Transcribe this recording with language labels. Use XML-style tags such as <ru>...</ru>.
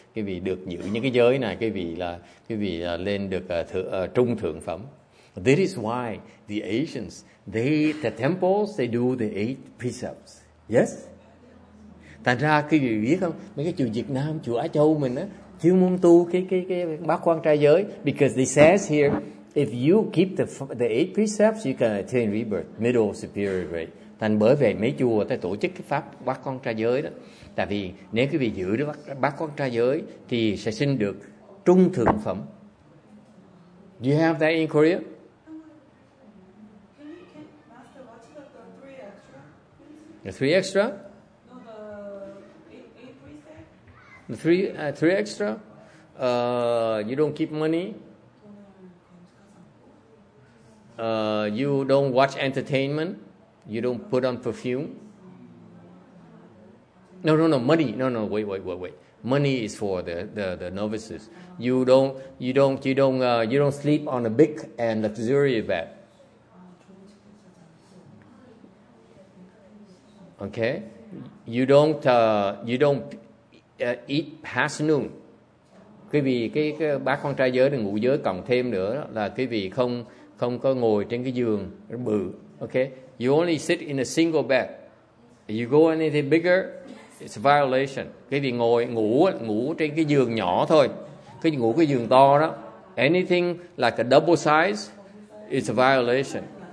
<vi>Cái vị được giữ những cái giới này, cái vị lên được trung thượng phẩm.</vi> <en>This is why the Asians, the temples, they do the eight precepts. Yes.</en> <vi>Thành ra quý vị biết không, mấy cái chùa Việt Nam, chùa Á Châu mình á, chưa muốn tu cái bát quan trai giới.</vi> <en>Because they says here, if you keep the eight precepts, you can attain rebirth, middle superior grade.</en> <vi>Thành bởi vậy mấy chùa ta tổ chức cái pháp bát quan trai giới đó. Tại vì nếu quý vị giữ được bát quan trai giới thì sẽ sinh được trung thượng phẩm.</vi> <en>Do you have that in Korea? Three extra? Three extra. You don't keep money. You don't watch entertainment. You don't put on perfume. No. Money. No. Wait. Money is for the novices. You don't sleep on a big and luxurious bed. Okay. Eat past noon.</en> <vi>Quý vị cái bát quan trai giới ngũ giới cộng thêm nữa là quý vị không có ngồi trên cái giường bự.</vi> <en>Okay, you only sit in a single bed. You go anything bigger, it's a violation.</en> <vi>Quý vị ngủ trên cái giường nhỏ thôi, cái giường to đó,</vi> <en>anything like a double size, it's a violation.</en>